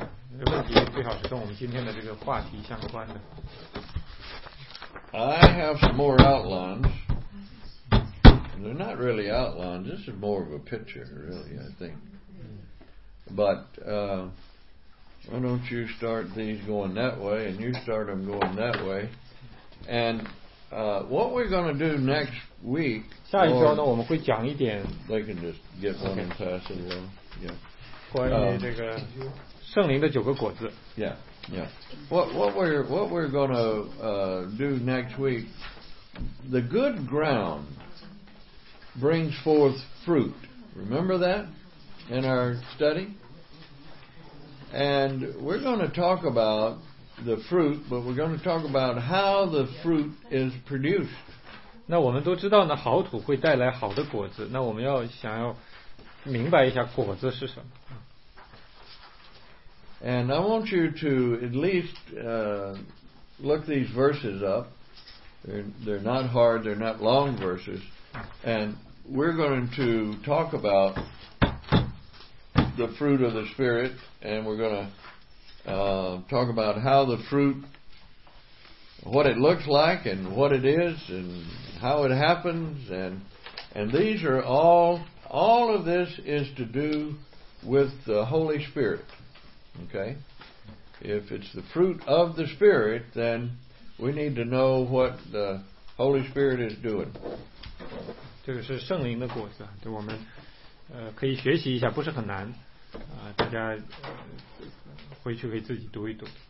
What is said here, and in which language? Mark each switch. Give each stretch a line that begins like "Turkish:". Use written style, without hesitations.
Chinese: 我们今天讲到的部分我们就到这里，可以留一点点时间留给大家问问题，问题最好是跟我们今天的这个话题相关的。
English: I have some more outlines. They're not really outlines. This is more of a picture, really, I think. But why don't you start these going that way, and you start them going that way. And what we're going to do next week...
Chinese: 下一周呢，我们会讲一点...
English: They can just get one and pass it along. Yeah.
Chinese: 关于这个圣灵的九个果子。
English: Yeah. Yeah. What we're gonna do next week, the good ground brings forth fruit. Remember that in our study? And we're gonna talk about the fruit, but we're gonna talk about how the fruit is produced.
Chinese: 那我们都知道呢，好土会带来好的果子。那我们要想要明白一下果子是什么。
English: And I want you to at least look these verses up. They're not hard, they're not long verses. And we're going to talk about the fruit of the Spirit, and we're going to talk about how the fruit, what it looks like and what it is and how it happens. And these are all of this is to do with the Holy Spirit. Okay, if it's the fruit of the Spirit, then we need to know what the Holy Spirit is doing.
Chinese: 这个是圣灵的果子，对我们，可以学习一下，不是很难，大家回去可以自己读一读。